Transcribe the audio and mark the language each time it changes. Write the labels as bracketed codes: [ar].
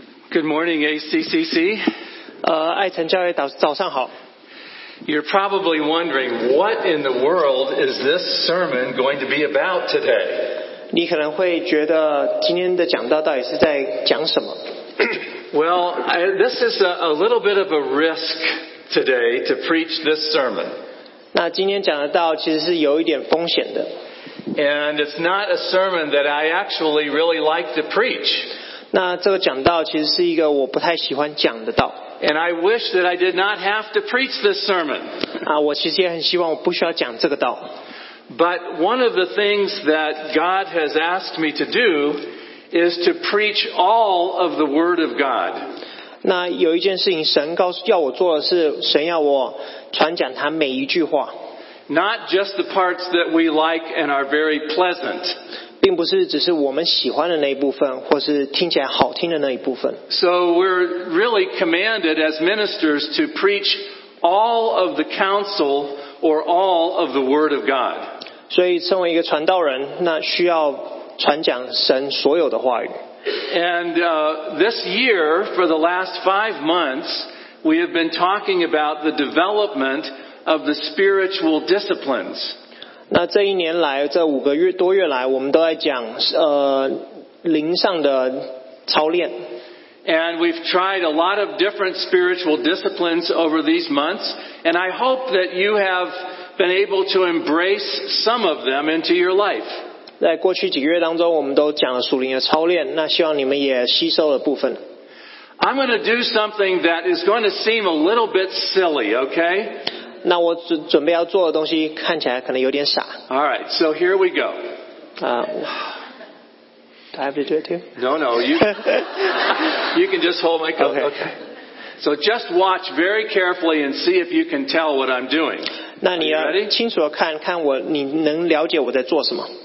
[en] Good morning, ACCC. [zh] 爱晨教会早上好。 [en] You're probably wondering what in the world is this sermon going to be about today? [zh] 你可能会觉得今天的讲道到底是在讲什么？ [en] Well, this is a little bit of a risk today to preach this sermon. [zh] 那今天讲的道其实是有一点风险的。 [en] And it's not a sermon that I actually really like to preach. [zh] 那这个讲道其实是一个我不太喜欢讲的道。 [en] And I wish that I did not have to preach this sermon. [zh] 我其实也很希望我不需要讲这个道。 [en] But one of the things that God has asked me to do is to preach all of the Word of God. [zh] 那有一件事情神告诉要我做的是，神要我传讲他每一句话。 [en] Not just the parts that we like and are very pleasant. [zh] 并不是只是我们喜欢的那一部分，或是听起来好听的那一部分。 [en] So we're really commanded as ministers to preach all of the counsel or all of the Word of God. [zh] 所以身为一个传道人，那需要传讲神所有的话语。 [en] And this year, for the last 5 months, we have been talking about the development of the spiritual disciplines. [zh] 那这一年来，这五个月多月来，我们都在讲灵上的操练。 [en] And we've tried a lot of different spiritual disciplines over these months, and I hope that you have been able to embrace some of them into your life. [zh] 在过去几个月当中，我们都讲了属灵的操练，那希望你们也吸收了部分。 [en] I'm going to do something that is going to seem a little bit silly, okay? [zh] 那我准备要做的东西看起来可能有点傻。 [en] All right, so here we go. Do I have to do it too? No, you can just hold my coat. Okay. So just watch very carefully and see if you can tell what I'm doing. [zh] 那你要清楚地看看我，你能了解我在做什么。